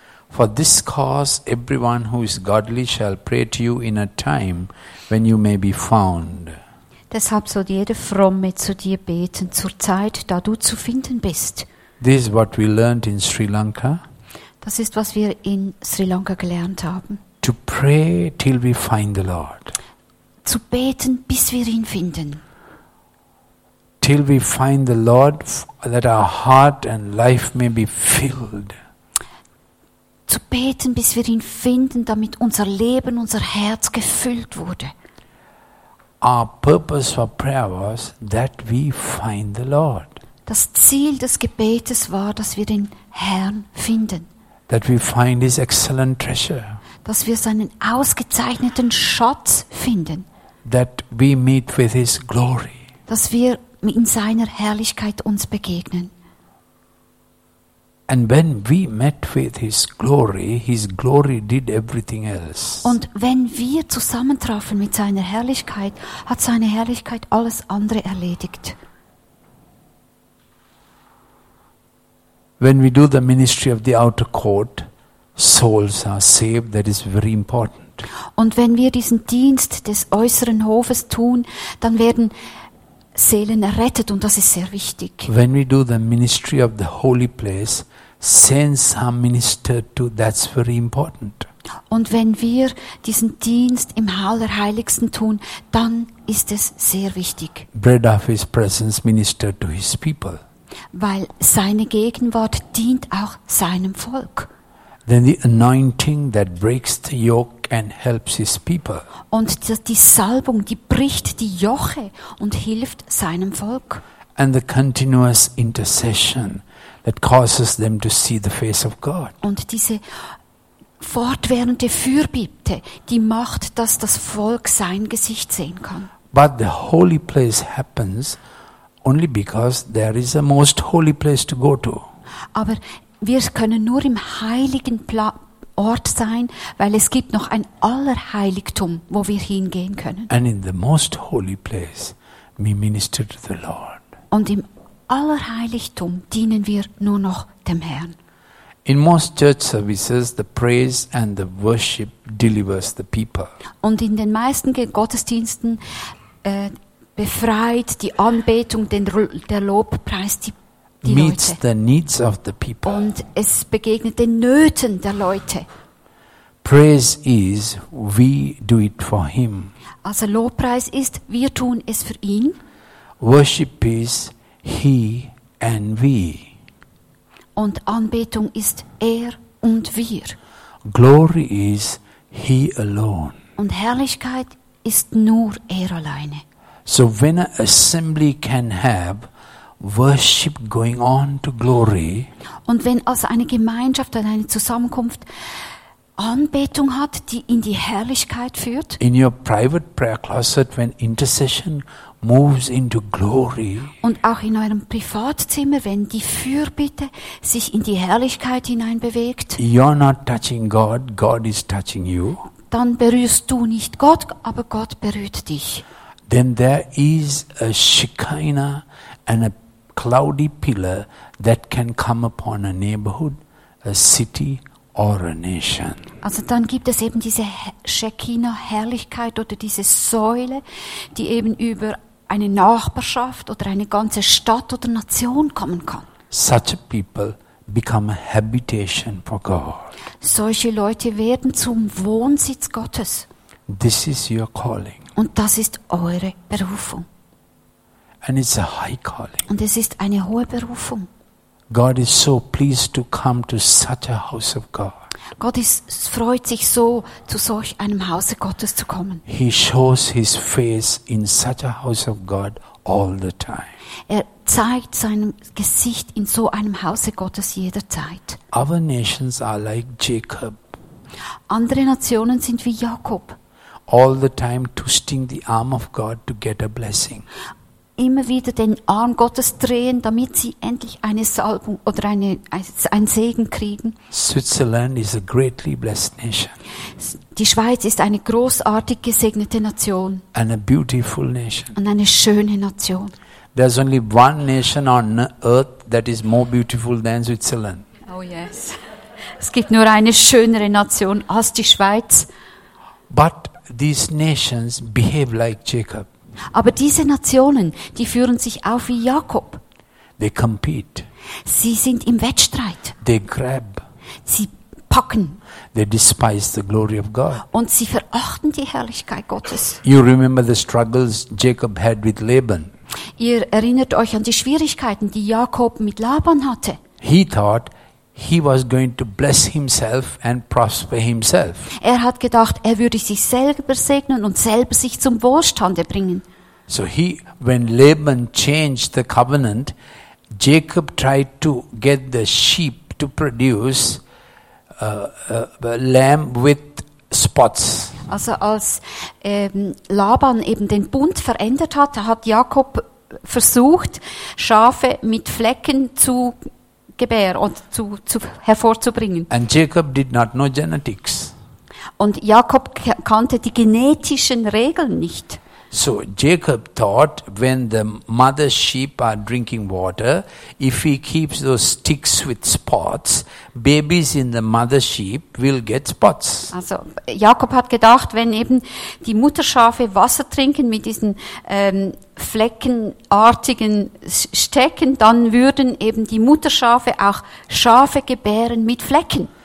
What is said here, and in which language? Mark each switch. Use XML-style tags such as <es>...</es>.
<en>For this cause, everyone who is godly shall pray to you in a time when you may be found.</en> <de>Deshalb soll jeder Fromme zu dir beten, zur Zeit, da du zu finden bist.</de> <en>This is what we learned in Sri Lanka.</en> <de>Das ist, was wir in Sri Lanka gelernt haben.</de> <en>To pray till we find the Lord.</en> <de>Zu beten, bis wir ihn finden.</de> <en>Till we find the Lord, that our heart and life may be filled.</en> <de>Zu beten, bis wir ihn finden, damit unser Leben, unser Herz gefüllt wurde.</de> <en>Our purpose for prayer was that we find the Lord.</en> <de>Das Ziel des Gebetes war, dass wir den Herrn finden.</de> <en>That we find his excellent treasure.</en> <de>Dass wir seinen ausgezeichneten Schatz finden.</de> <en>That we meet with his glory.</en> <de>Dass wir in seiner Herrlichkeit uns begegnen.</de> <en>And when we met with his glory did everything else.</en> <de>Und wenn wir zusammentrafen mit seiner Herrlichkeit, hat seine Herrlichkeit alles andere erledigt.</de> <en>when we do the ministry of the outer court, souls are saved. That is very important.</en> <de>Und wenn wir diesen Dienst des äußeren Hofes tun, dann werden Seelen errettet, und das ist sehr wichtig.</de> <en>When we do the ministry of the holy place, saints are ministered to. That's very important.</en> <de>Und wenn wir diesen Dienst im Allerheiligsten tun, dann ist es sehr wichtig.</de> <en>Bread of his presence ministered to his people.</en> <de>Weil seine Gegenwart dient auch seinem Volk.</de> <en>Then the anointing that breaks the yoke and helps his people.</en> <de>Und die Salbung, die bricht die Joche und hilft seinem Volk.</de> <en>And the continuous intercession that causes them to see the face of God.</en> <de>Und diese fortwährende Fürbitte, die macht, dass das Volk sein Gesicht sehen kann.</de> <en>But the holy place happens only because there is a most holy place to go to.</en> <de>Aber wir können nur im heiligen Ort sein, weil es gibt noch ein Allerheiligtum, wo wir hingehen können.</de> <en>And in the most holy place we minister to the Lord.</en> <de>Und im Allerheiligtum dienen wir nur noch dem Herrn.</de> <en>In most church services, the praise and the worship delivers the people.</en> <de>Und in den meisten Gottesdiensten befreit die Anbetung, der Lobpreis die Leute.</de> <en>Meets the needs of the people.</en> <de>Und es begegnet den Nöten der Leute.</de> <en>Praise is, we do it for him.</en> <de>Also Lobpreis ist, wir tun es für ihn.</de> <en>Worship is, he and we.</en> <de>Und Anbetung ist er und wir.</de> <en>Glory is he alone.</en> <de>Und Herrlichkeit ist nur er alleine.</de> <en>So when an assembly can have worship going on to glory.</en> <de>Und wenn also eine Gemeinschaft oder eine Zusammenkunft Anbetung hat, die in die Herrlichkeit führt.</de> <en>In your private prayer closet, when intercession moves into glory.</en> <de>Und auch in eurem Privatzimmer, wenn die Fürbitte sich in die Herrlichkeit hineinbewegt.</de> <en>You're not touching God, God is touching you.</en> <de>Dann berührst du nicht Gott, aber Gott berührt dich.</de> <en>Then there is a Shekinah and a cloudy pillar that can come upon a neighborhood, a city. Or a nation.</en> <de>Also dann gibt es eben diese Shekinah-Herrlichkeit oder diese Säule, die eben über eine Nachbarschaft oder eine ganze Stadt oder Nation kommen kann.</de> <en>Such people become a habitation for God.</en> <de>Solche Leute werden zum Wohnsitz Gottes.</de> <en>This is your calling.</en> <de>Und das ist eure Berufung.</de> <en>And it's a high calling.</en> <de>Und es ist eine hohe Berufung.</de> <en>God is so pleased to come to such a house of God.</en> <de>Gott freut sich so, zu solch einem Hause Gottes zu kommen.</de> <en>He shows his face in such a house of God all the time.</en> <de>Er zeigt sein Gesicht in so einem Hause Gottes jederzeit.</de> <en>Other nations are like Jacob.</en> <de>Andere Nationen sind wie Jakob.</de> <en>All the time twisting the arm of God to get a blessing.</en> <de>Immer wieder den Arm Gottes drehen, damit sie endlich eine Salbung oder ein Segen kriegen.</de> <en>Switzerland is a greatly blessed nation.</en> <de>Die Schweiz ist eine großartig gesegnete Nation.</de> <en>And a beautiful nation.</en> <de>Und eine schöne Nation.</de> <en>There's only one nation on earth that is more beautiful than Switzerland. Oh yes.</en> <de>Es gibt nur eine schönere Nation als die Schweiz.</de> <en>But these nations behave like Jacob.</en> <de>Aber diese Nationen, die führen sich auf wie Jakob.</de> <en>They compete.</en> <de>Sie sind im Wettstreit.</de> <en>They grab.</en> <de>Sie packen.</de> <en>They despise the glory of God.</en> <de>Und sie verachten die Herrlichkeit Gottes.</de> <en>You remember the struggles Jacob had with Laban.</en> <de>Ihr erinnert euch an die Schwierigkeiten, die Jakob mit Laban hatte.</de> <en>He thought he was going to bless himself and prosper himself.</en> <de>Er hat gedacht, er würde sich selber segnen und selber sich zum Wohlstande bringen.</de> <en>So he, when Laban changed the covenant, Jacob tried to get the sheep to produce a lamb with spots.</en> <de>Also als Laban eben den Bund verändert hat, hat Jakob versucht, Schafe mit Flecken zu gebären und zu hervorzubringen.</de> <en>And Jacob did not know genetics.</en> <de>Und Jakob kannte die genetischen Regeln nicht.</de> <en>So Jacob thought, when the mother sheep are drinking water, if he keeps those sticks with spots, babies in the mother sheep will get spots.</en> <de>Also Jakob hat gedacht, wenn eben die Mutterschafe Wasser trinken mit diesen fleckenartigen Stecken, dann würden eben die Mutterschafe auch Schafe gebären mit Flecken.</de>